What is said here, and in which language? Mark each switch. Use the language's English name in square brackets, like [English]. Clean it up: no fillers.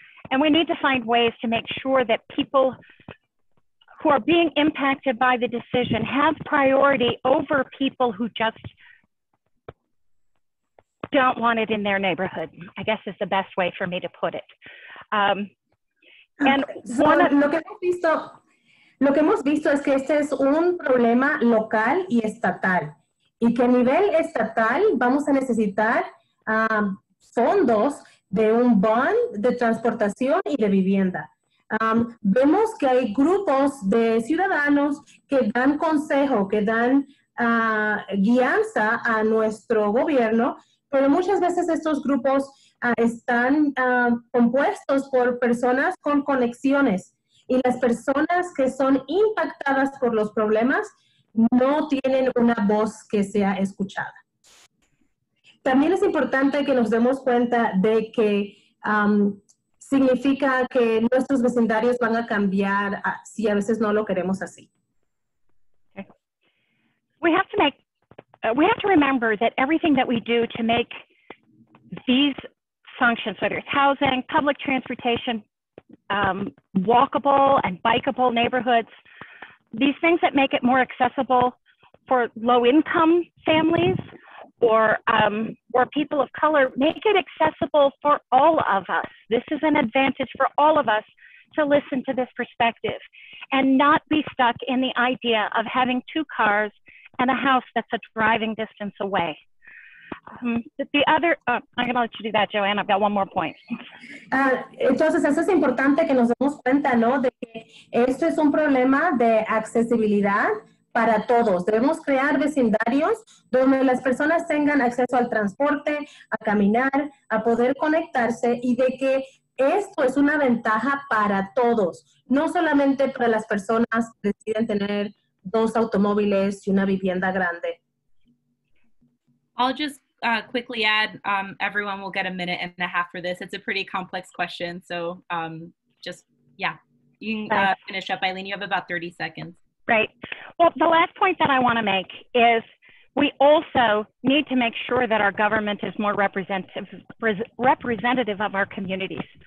[English] And we need to find ways to make sure that people who are being impacted by the decision have priority over people who just don't want it in their neighborhood, I guess is the best way for me to put it. [Spanish] Lo que hemos visto es que este es un problema local y estatal, y que a nivel estatal vamos a necesitar fondos de un bond de transportación y de vivienda. Vemos que hay grupos de ciudadanos que dan consejo, que dan guianza a nuestro gobierno, pero muchas veces estos grupos están compuestos por personas con conexiones y las personas que son impactadas por los problemas no tienen una voz que sea escuchada. También es importante que nos demos cuenta de que significa que nuestros vecindarios van a cambiar si a veces no lo queremos así. [English] Okay. We have to remember that everything that we do to make these functions, whether it's housing, public transportation, walkable and bikeable neighborhoods, these things that make it more accessible for low-income families or people of color, make it accessible for all of us. This is an advantage for all of us to listen to this perspective and not be stuck in the idea of having two cars and a house that's a driving distance away. I'm going to let you do that, Joanne. I've got one more point. [Spanish] Entonces, eso es importante que nos demos cuenta, ¿no? De que esto es un problema de accesibilidad para todos. Debemos crear vecindarios donde las personas tengan acceso al transporte, a caminar, a poder conectarse, y de que esto es una ventaja para todos, no solamente para las personas que deciden tener dos automóviles y una vivienda grande. [English] I'll just quickly add, everyone will get a minute and a half for this. It's a pretty complex question, so you can finish up, Eileen. You have about 30 seconds. Right. Well, the last point that I want to make is we also need to make sure that our government is more representative of our communities.